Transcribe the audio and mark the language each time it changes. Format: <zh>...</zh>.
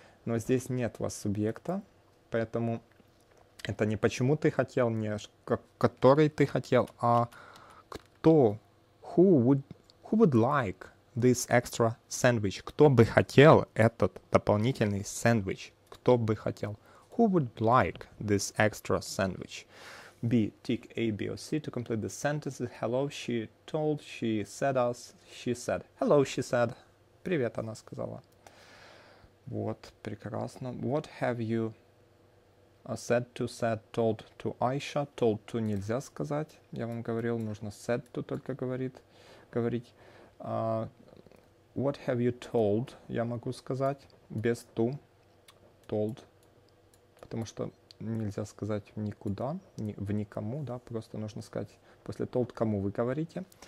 <ru>Но здесь нет у вас субъекта, поэтому это не почему ты хотел, не который ты хотел, а кто?</ru> <en>Who would like this extra sandwich?</en> <ru>Кто бы хотел этот дополнительный сэндвич? Кто бы хотел?</ru> <en>Who would like this extra sandwich? B, tick A, B or C to complete the sentences. Hello, she told, she said us, she said. Hello, she said.</en> <ru>Привет, она сказала. Вот, прекрасно.</ru> <en>What have you said to, said, told to Aisha? Told to</en> <ru>нельзя сказать. Я вам говорил, нужно said to только говорить.</ru> <en>What have you told?</en> <ru>Я могу сказать без</ru> <en>to. Told.</en> <ru>Потому что нельзя сказать никуда, в никому, да, просто нужно сказать после told, кому вы говорите.</ru>